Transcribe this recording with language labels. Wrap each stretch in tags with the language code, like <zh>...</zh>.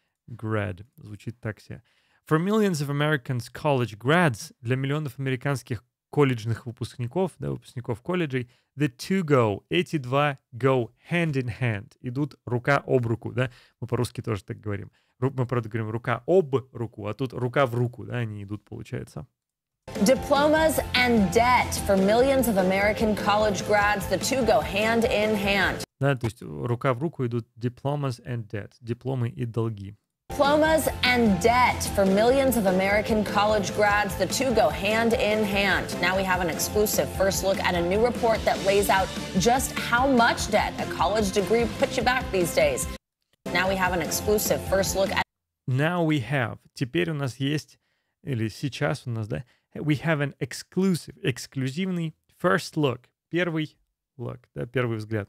<ru>Grad. Звучит так себе.</ru> <en>For millions of American college grads,</en> <ru>для миллионов американских колледжных выпускников, да, выпускников колледжей,</ru> <en>the two go,</en> <ru>эти два</ru> <en>go hand in hand,</en> <ru>идут рука об руку, да, мы по-русски тоже так говорим. Мы, правда, говорим рука об руку, а тут рука в руку, да, они идут, получается.</ru> <en>Diplomas and debt for millions of American college grads. The two go hand in hand.</en> <ru>Да, то есть рука в руку идут</ru> <en>diplomas and debt.</en> <ru>Дипломы и долги.</ru> <en>Diplomas and debt for millions of American college grads. The two go hand in hand. Now we have an exclusive first look at a new report that lays out just how much debt a college degree puts you back these days. Now we have an exclusive first look at... Now we have.</en> <ru>Теперь у нас есть, или сейчас у нас, да?</ru> <en>We have an exclusive, эксклюзивный first look.</en> <ru>Первый look, да, первый взгляд.</ru>